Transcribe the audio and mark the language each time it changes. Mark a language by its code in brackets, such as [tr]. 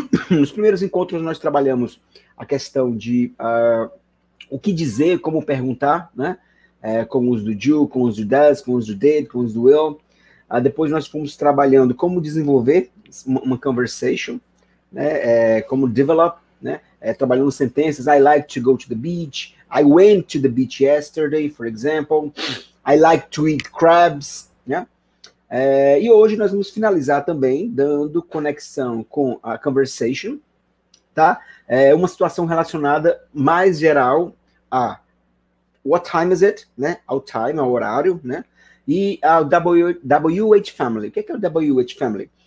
[pt] Nos primeiros encontros nós trabalhamos a questão de o que dizer, como perguntar, né? Com os do do, com os do does, com os do did, com os do will. Depois nós fomos trabalhando como desenvolver uma conversation, né? Como develop, né? Trabalhando sentenças. [en] I like to go to the beach. I went to the beach yesterday, for example. I like to eat crabs, [pt] né? E hoje nós vamos finalizar também dando conexão com a conversation, tá? Uma situação relacionada mais geral a [en] what time is it, [pt] né? Ao time, ao horário, né? E ao WH family. O que é o WH family?